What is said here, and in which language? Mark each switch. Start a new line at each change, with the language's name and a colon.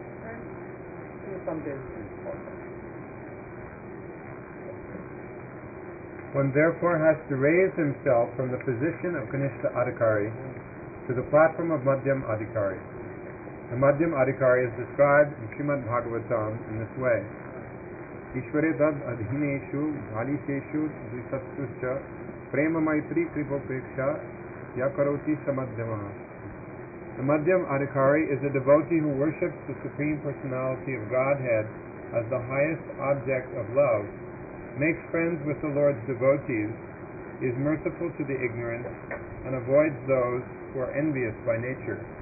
English: And in some days he will offend him. One therefore has to raise himself from the position of Kanishtha Adhikari to the platform of Madhyam Adhikari. The Madhyam Adhikari is described in Srimad Bhagavatam in this way.
Sanskrit: ईश्वरे तद अधीनेषु बालिकेषु द्विसत्तुश्च प्रेम मैत्री कृपोपेक्षा या करोति स मध्यमः.
English: The Madhyam Adhikari is a devotee who worships the Supreme Personality of Godhead as the highest object of love, makes friends with the Lord's devotees, is merciful to the ignorant, and avoids those who are envious by nature.